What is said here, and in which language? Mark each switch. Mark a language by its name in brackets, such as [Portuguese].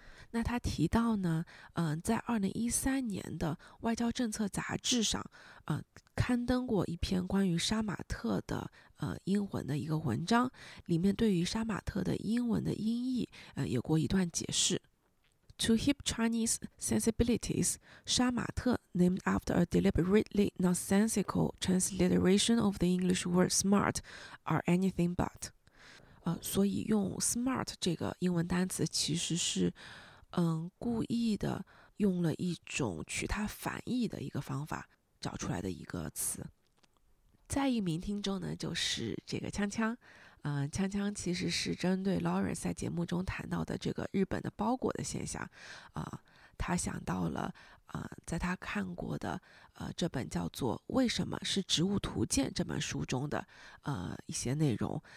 [Chinese] 那他提到呢，在2013年的外交政策杂志上刊登过一篇关于杀马特的英文的一个文章，里面对于杀马特的英文的音译有过一段解释。 [English] To hip Chinese sensibilities, 杀马特 named after a deliberately nonsensical transliteration of the English word smart, are anything but. [Chinese] 所以用 smart 这个英文单词其实是故意的用了一种取它反义的一个方法找出来的一个词。再一名听众呢，就是这个锵锵。锵锵其实是针对 Lawrence 在节目中谈到的这个日本的包裹的现象，他想到了在他看过的这本叫做《为什么是植物图鉴》这本书中的一些内容。